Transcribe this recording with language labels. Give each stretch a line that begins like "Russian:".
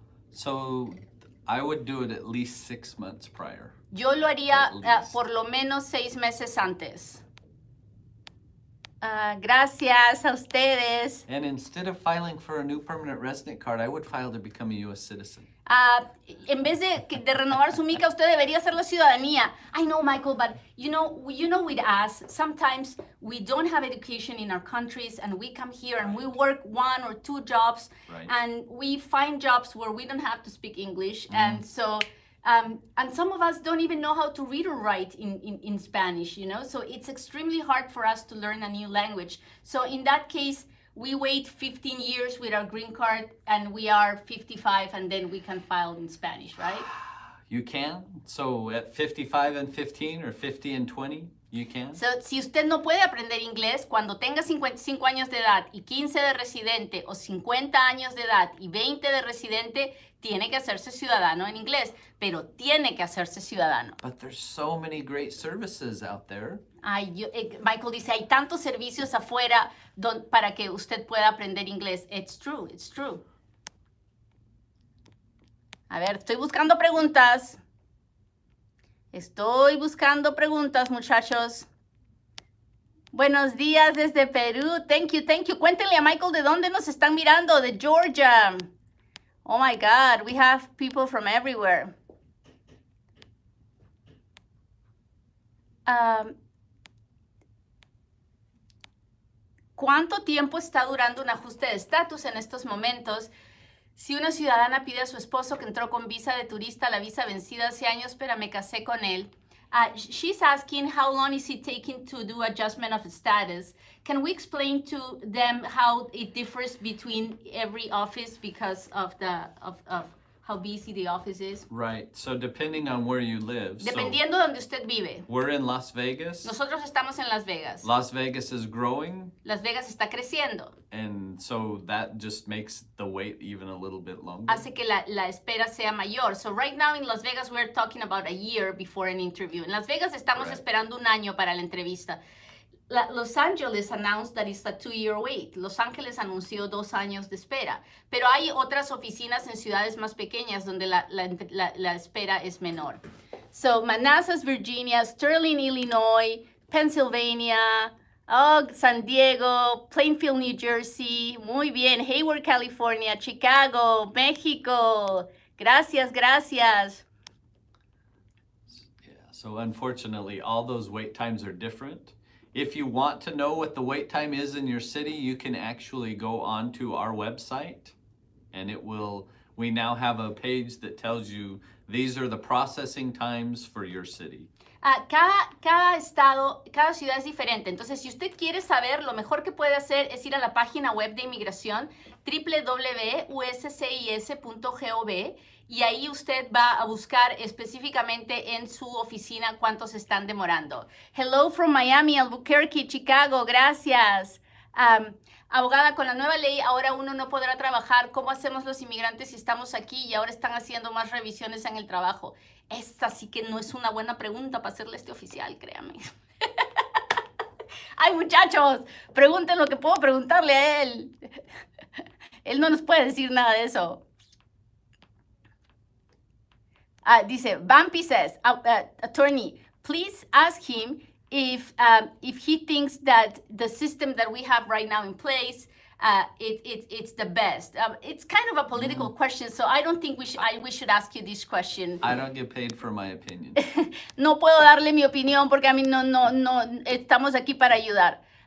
English: So I would do it at least 6 months prior.
Spanish: Yo lo haría por lo menos 6 meses antes. Gracias a ustedes.
English: And instead of filing for a new permanent resident card, I would file to become a U.S. citizen.
Spanish: En vez de renovar su mica, usted debería hacer la ciudadanía.
English: I know, Michael, but you know, with us, sometimes we don't have education in our countries, and we come here and we work one or two jobs, right. And we find jobs where we don't have to speak English, and so. And some of us don't even know how to read or write in Spanish, you know? So it's extremely hard for us to learn a new language. So in that case, we wait 15 years with our green card and we are 55 and then we can file in Spanish, right? You can. So at 55 and 15 or 50 and 20, you can.
Spanish: So si usted no puede aprender inglés, cuando tenga 55 años de edad y 15 de residente o 50 años de edad y 20 de residente, tiene que hacerse ciudadano en inglés, pero tiene que hacerse ciudadano.
English: But there's so many great services out there.
Spanish: Ay, yo, Michael dice, hay tantos servicios afuera para que usted pueda aprender inglés.
English: It's true, it's true.
Spanish: A ver, estoy buscando preguntas. Estoy buscando preguntas, muchachos. Buenos días desde Perú.
English: Thank you, thank you.
Spanish: Cuéntenle a Michael de dónde nos están mirando, de Georgia.
English: Oh my God, we have people from everywhere.
Spanish: ¿Cuánto tiempo está durando un ajuste de estatus en estos momentos? Si una ciudadana pide a su esposo que entró con visa de turista, la visa vencida hace años, pero me casé con él.
English: She's asking, how long is it taking to do adjustment of status? Can we explain to them how it differs between every office because of the of how busy the office is? Right. So depending on where you live.
Spanish: Dependiendo
English: so
Spanish: donde usted vive.
English: We're in Las Vegas.
Spanish: Nosotros estamos en Las Vegas.
English: Las Vegas is growing.
Spanish: Las Vegas está creciendo.
English: And so that just makes the wait even a little bit longer.
Spanish: Hace que la espera sea mayor.
English: So right now in Las Vegas we're talking about a year before an interview.
Spanish: En Las Vegas estamos
English: right.
Spanish: Esperando un año para la entrevista.
English: Los Angeles announced that it's a 2-year wait.
Spanish: Los Angeles anunció 2 años de espera. Pero hay otras oficinas en ciudades más pequeñas donde la espera es menor.
English: So, Manassas, Virginia, Sterling, Illinois, Pennsylvania, oh, San Diego, Plainfield, New Jersey.
Spanish: Muy bien.
English: Hayward, California, Chicago, México.
Spanish: Gracias, gracias.
English: Yeah, so, unfortunately, all those wait times are different. If you want to know what the wait time is in your city, you can actually go on to our website and it will, we now have a page that tells you these are the processing times for your city.
Spanish: Cada estado, cada ciudad es diferente. Entonces, si usted quiere saber, lo mejor que puede hacer es ir a la página web de inmigración, www.uscis.gov, y ahí usted va a buscar específicamente en su oficina cuántos están demorando.
English: Hello from Miami, Albuquerque, Chicago, gracias.
Spanish: Abogada, con la nueva ley, ahora uno no podrá trabajar. ¿Cómo hacemos los inmigrantes si estamos aquí y ahora están haciendo más revisiones en el trabajo? Esta sí que no es una buena pregunta para hacerle este oficial, créame. ¡Ay, muchachos! Pregunten lo que puedo preguntarle a él. Él no nos puede decir nada de eso.
English: Dice, Bumpy says, attorney, please ask him if he thinks that the system that we have right now in place it's the best. It's kind of a political question, so I don't think we should ask you this question. I don't get paid for my opinion.
Spanish: No puedo darle mi opinión porque a mí no estamos aquí para ayudar.